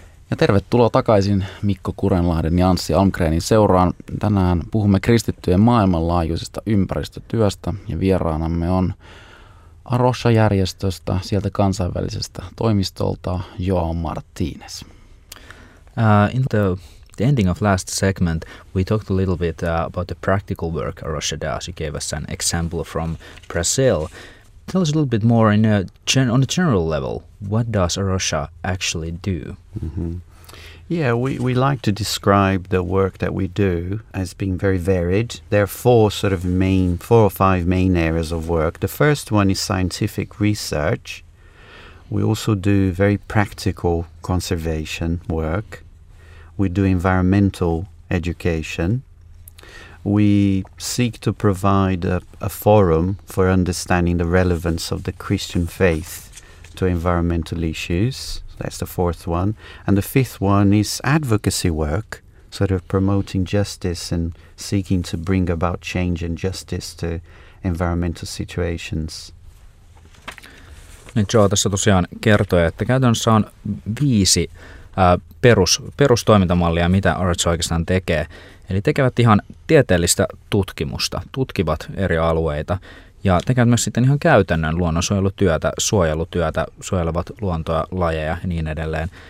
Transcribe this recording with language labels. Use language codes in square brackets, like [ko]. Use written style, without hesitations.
[fi] Ja tervetuloa takaisin Mikko Kurenlahden ja Anssi Almgrenin seuraan. Tänään puhumme kristittyjen maailmanlaajuisesta ympäristötyöstä, ja vieraanamme on Arrocha-järjestöstä, sieltä kansainvälisestä toimistolta, João Martínez. [en] In the ending of last segment, we talked a little bit about the practical work Arrocha does. You gave us an example from Brazil. Tell us a little bit more on a general level. What does Arrocha actually do? Mm-hmm. Yeah, we like to describe the work that we do as being very varied. There are four or five main areas of work. The first one is scientific research. We also do very practical conservation work. We do environmental education. We seek to provide a forum for understanding the relevance of the Christian faith to environmental issues. That's the fourth one. And the fifth one is advocacy work, sort of promoting justice and seeking to bring about change and justice to environmental situations. [fi] Niin Joe tässä tosiaan kertoi, että käytännössä on viisi perustoimintamallia, mitä Arts oikeastaan tekee. Eli tekevät ihan tieteellistä tutkimusta, tutkivat eri alueita ja tekevät myös sitten ihan käytännön luonnonsuojelutyötä, suojelutyötä, suojelevat luontoa, lajeja ja niin edelleen.